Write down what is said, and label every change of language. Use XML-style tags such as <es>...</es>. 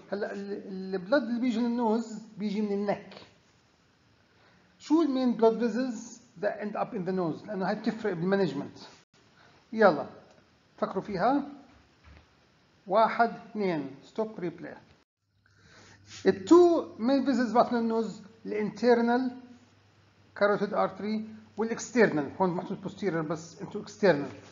<ar>هلا البلد اللي بيجي للنوز بيجي من النك. شو المين</ar> <en>blood vessels that end up in the nose؟</en> <ar>لأنه هاي بتفرق بالمانجمنت. يلا فكروا فيها. واحد اثنين</ar> <en>stop replay. The two main vessels back in the nose: the internal carotid artery والexternal.</en> <ar>هون محطوط posterior بس into external.</ar>